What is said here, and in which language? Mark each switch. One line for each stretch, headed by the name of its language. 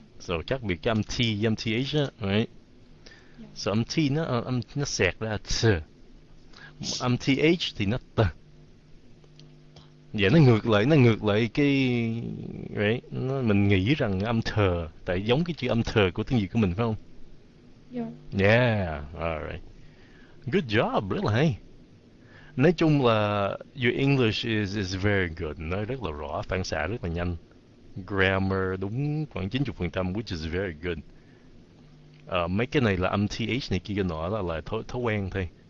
Vietnamese: So, khác biệt cái âm T, âm TH, right? So âm T nó sẹt ra th. Âm TH thì nó t. Vậy nó ngược lại cái right. Nó, mình nghĩ rằng âm th tại giống cái chữ âm th của tiếng Việt của mình phải không?
English: Yeah. Yeah. Alright. Good job, really.
Vietnamese: Nói chung là
English: your English is very good.
Vietnamese: Nó rất là rõ, phản xạ rất là nhanh. Grammar đúng khoảng 90%,
English: which is very good.
Vietnamese: Mấy cái này là âm TH này kia nọ là thói quen thôi.